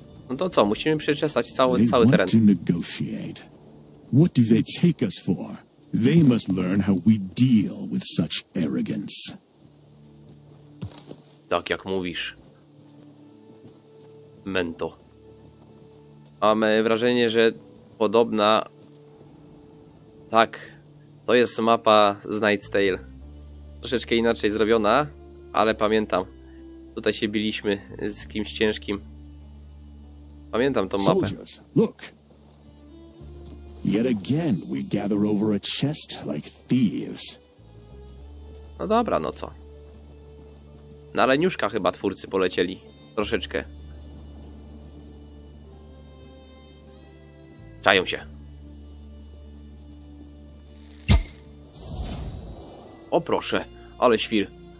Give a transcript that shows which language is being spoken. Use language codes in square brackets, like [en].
[pl] No to co, musimy przeczesać cały teren. [en] They want to negotiate. What do they take us for? They must learn how we deal with such arrogance. [pl] Tak jak mówisz. Mento. Mamy wrażenie, że podobna... Tak. To jest mapa z Night's Tale. Troszeczkę inaczej zrobiona, ale pamiętam. Tutaj się biliśmy z kimś ciężkim. Pamiętam tą mapę. [en] Soldiers, look. Yet again we gather over a chest like thieves. [pl] No dobra, no co? Na leniuszka chyba twórcy polecieli. Troszeczkę. Czają się. O proszę, ale świr.